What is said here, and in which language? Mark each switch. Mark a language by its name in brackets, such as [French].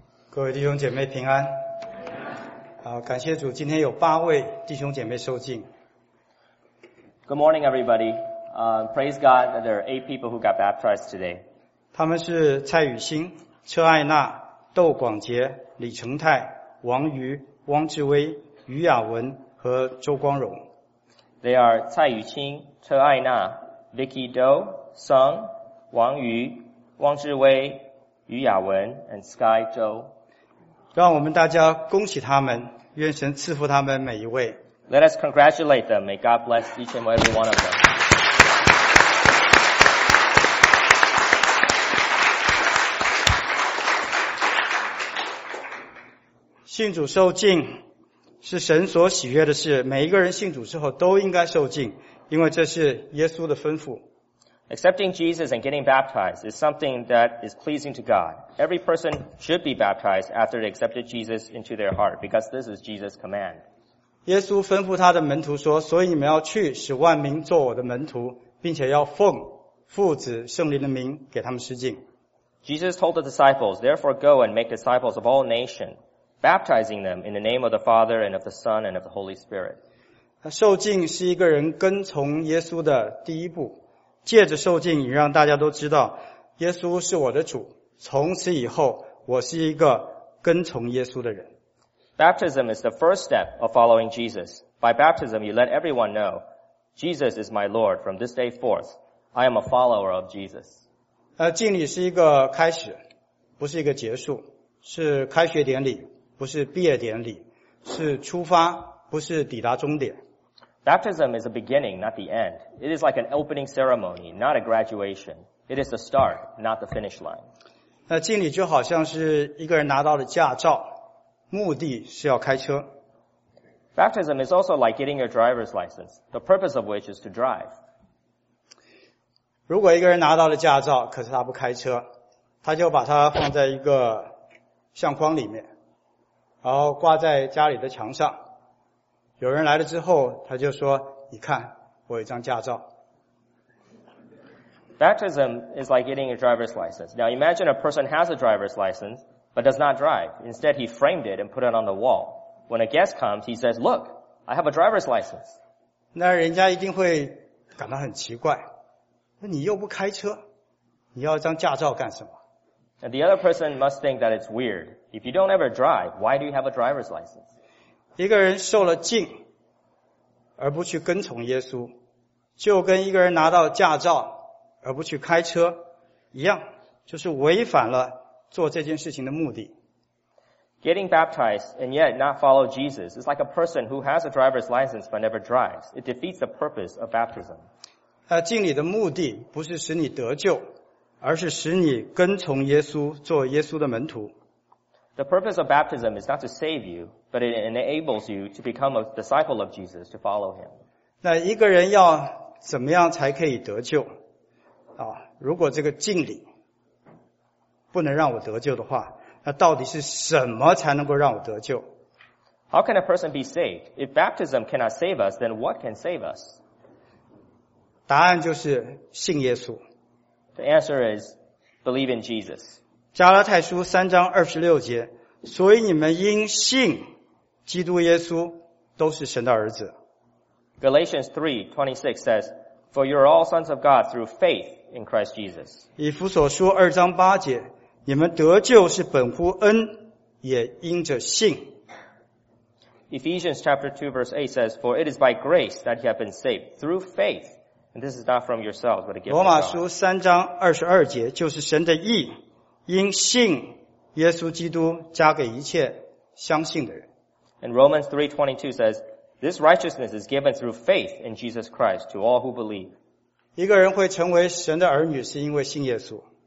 [Chinese] 各位弟兄姐妹平安。好，感谢主，今天有八位弟兄姐妹受浸。 [English] Good morning, everybody. Praise God that there are 8 people who got baptized today. [Chinese] 他们是蔡雨欣、车爱娜、窦广杰、李成泰、王瑜、汪志威、于雅文和周光荣。 [English] They are 蔡雨清、车爱娜、Vicky Doe、Song、王瑜、汪志威、于雅文 and Sky 周。 [Chinese] 让我们大家恭喜他们，愿神赐福他们每一位。 [English] Let us congratulate them. May God bless each and every one of them. [Chinese] 信主受浸是神所喜悦的事，每一个人信主之后都应该受浸，因为这是耶稣的吩咐。 [English] Accepting Jesus and getting baptized is something that is pleasing to God. Every person should be baptized after they accepted Jesus into their heart because this is Jesus' command. [Chinese] 耶稣吩咐他的门徒说，所以你们要去使万民做我的门徒，并且要奉父子圣灵的名给他们施浸。 [English] Jesus told the disciples, therefore go and make disciples of all nations, baptizing them in the name of the Father and of the Son and of the Holy Spirit. [Chinese] 受浸是一个人跟从耶稣的第一步。借着受浸，你让大家都知道耶稣是我的主，从此以后我是一个跟从耶稣的人。 [English] Baptism is the first step of following Jesus. By baptism you let everyone know Jesus is my Lord. From this day forth I am a follower of Jesus. [Chinese] 浸礼是一个开始，不是一个结束，是开学典礼，不是毕业典礼，是出发，不是抵达终点。 [English] Baptism is a beginning, not the end. It is like an opening ceremony, not a graduation. It is the start, not the finish line. [Chinese] 浸礼就好像是一个人拿到了驾照，目的是要开车。 [English] Baptism is also like getting your driver's license, the purpose of which is to drive. [Chinese] 如果一个人拿到了驾照，可是他不开车，他就把它放在一个相框里面，然后挂在家里的墙上。有人来了之后，他就说：“你看，我有一张驾照。” [English] Baptism is like getting a driver's license. Now imagine a person has a driver's license but does not drive. Instead, he framed it and put it on the wall. When a guest comes, he says, "Look, I have a driver's license." [Chinese] 那人家一定会感到很奇怪，那你又不开车，你要一张驾照干什么？ [English] And the other person must think that it's weird. If you don't ever drive, why do you have a driver's license? [Chinese] 一个人受了浸而不去跟从耶稣，就跟一个人拿到驾照而不去开车一样，就是违反了做这件事情的目的。 [English] Getting baptized and yet not follow Jesus is like a person who has a driver's license but never drives. It defeats the purpose of baptism. [Chinese] 浸礼的目的不是使你得救，而是使你跟从耶稣，做耶稣的门徒。 [English] The purpose of baptism is not to save you, but it enables you to become a disciple of Jesus, to follow him. [Chinese] 那一个人要怎么样才可以得救？如果这个浸礼不能让我得救的话，那到底是什么才能够让我得救？ [English] How can a person be saved? If baptism cannot save us, then what can save us? [Chinese] 答案就是信耶稣。 [English] The answer is, believe in Jesus. [Chinese] 加拉太书三章二十六节，所以你们因信基督耶稣都是神的儿子。 [English] Galatians 3:26 says, "For you are all sons of God through faith in Christ Jesus." [Chinese] 以弗所书二章八节，你们得救是本乎恩，也因着信。 [English] Ephesians chapter 2 verse 8 says, "For it is by grace that you have been saved through faith, and this is not from yourselves, but a gift of God." [Chinese] 罗马书三章二十二节就是神的义。因信耶稣基督加给一切相信的人。 [English] And Romans 3:22 says, "This righteousness is given through faith in Jesus Christ to all who believe." [Chinese] 一个人会成为神的儿女是因为信耶稣。